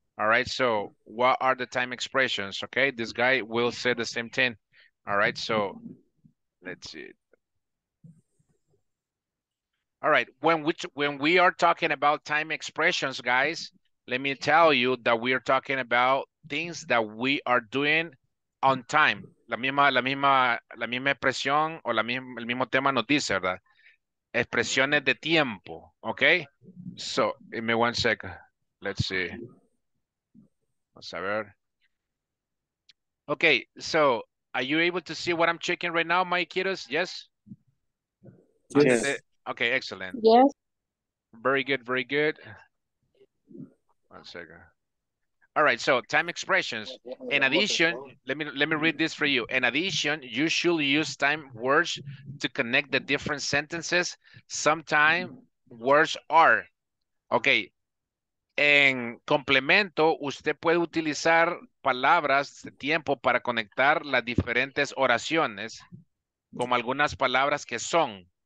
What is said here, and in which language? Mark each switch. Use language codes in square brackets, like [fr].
[en] All right. So what are the time expressions? Okay. This guy will say the same thing. All right. So let's see. All right, when we are talking about time expressions, guys, let me tell you that we are talking about things that we are doing on time. [es] La misma expresión o el mismo tema nos dice, ¿verdad? Expresiones de tiempo, [en] okay? So, give me 1 second. Let's see. [es] Vamos a ver. [en] Okay, so are you able to see what I'm checking right now, my kiddos? Yes? Yes. Okay, excellent. Yes. Very good, very good. 1 second. All right, so time expressions. In addition, let me read this for you. In addition, you should use time words to connect the different sentences. Sometimes words are. Okay. [es] En complemento, usted puede utilizar palabras de tiempo para conectar las diferentes oraciones, como algunas palabras que son.